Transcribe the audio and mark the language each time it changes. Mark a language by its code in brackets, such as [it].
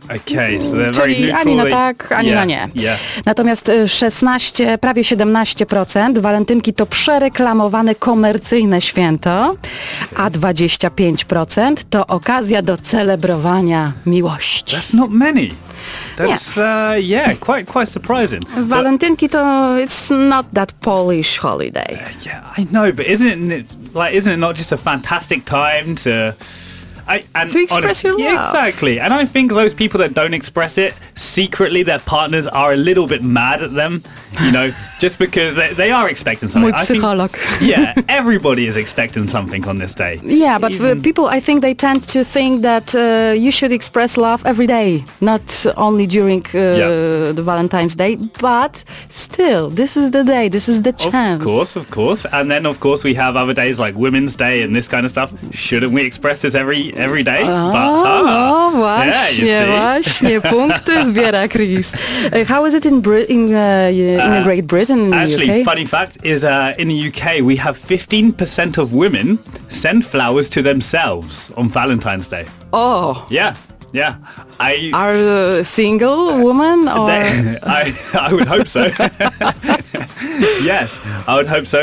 [en] Okay, so they're [pl] czyli [en] very neutral, [pl] ani na tak, ani [en] yeah, [pl] na nie. [en] Yeah. [pl] Natomiast 16%, prawie 17% walentynki to przereklamowane komercyjne święta. A 25% to okazja do celebrowania miłości. [en] That's not many. That's quite surprising. [pl] Walentynki to [en] it's not that Polish holiday. Yeah, I know, but isn't it not just a fantastic time to And to express honestly, your love. Yeah, exactly. And I think those people that don't express it, secretly their partners are a little bit mad at them, you know, just because they are expecting something. [pl] Mój psycholog. I [en] think, yeah, everybody is expecting something on this day. Yeah, but people, I think they tend to think that you should express love every day, not only during the Valentine's Day, but still, this is the day, this is the chance. Of course, of course. And then, of course, we have other days like Women's Day and this kind of stuff. Shouldn't we express this every day? [pl] Właśnie, właśnie, punkty zbiera Chris. [en] How is it in Great Britain? In actually, the UK? Funny fact is in the UK we have 15% of women send flowers to themselves on Valentine's Day. Oh. Yeah. Yeah. Are single women or I would hope so. Yes, I would hope so.